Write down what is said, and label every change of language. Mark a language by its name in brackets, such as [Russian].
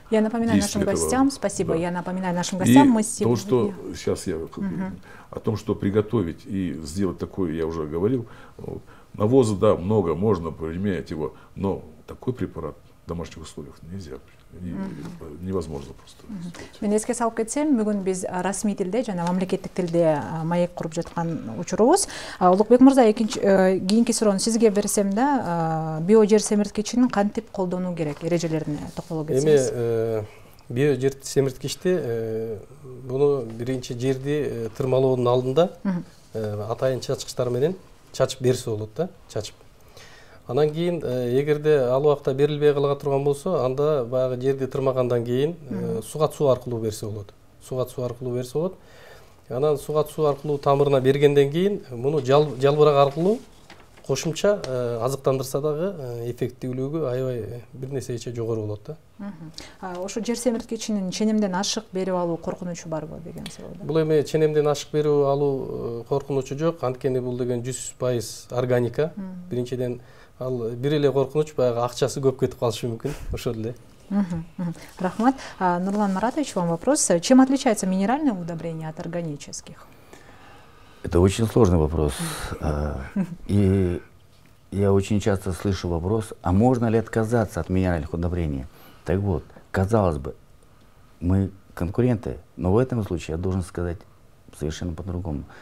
[Russian] Я напоминаю нашим гостям, спасибо, да. Я напоминаю нашим гостям, и мы сегодня... то, что сейчас я... Mm-hmm. о том, что приготовить и сделать такое, я уже говорил. Вот. Навоза, да, много, можно применять его, но такой препарат в домашних условиях нельзя. Невозможно просто. [Kyrgyz] Мен эске салып кетсем, бүгүн биз расмий тилде жана мамлекеттик тилде маек куруп жаткан учурубуз. Улукбек мырза, кийинки суроону сизге берсем да, биожер семирткичин кантип колдонуу керек, эрежелерине токтолуп кетсеңиз. Эми биожер семирткичти муну биринчи жерди тырмалоонун алдында атайын чачкычтар менен чачып берсе болот да, чачып. Анан кийин эгерде ал убакта берилбей кала турган болсо, анда баягы жерди тырмагандан кийин суга суу аркылуу берсе болот. Суга суу аркылуу берсе болот. Анан суга суу аркылуу тамырына бергенден кийин муну жалбырак аркылуу кошумча азыктандырса дагы эффективдүүлүгү аябай бир нече эсе жогору болот да. Ошо жер семирткичинин ченемден ашык берип алуу коркунучу барбы деген суроо. Бул эми ченемден ашык берип алуу коркунучу жок, анткени бул деген 100% органика. Биринчиден ал бир эле коркунуч баягы акчасы көп кетип калышы мүмкүн, ошол эле. Рахмат. [Russian] Нурлан Маратович, вам вопрос. Чем отличается минеральное удобрение от органических? Это очень сложный вопрос. И я очень часто слышу вопрос, а можно ли отказаться от минеральных удобрений? Так вот, казалось бы, мы конкуренты, но в этом случае я должен сказать совершенно по-другому.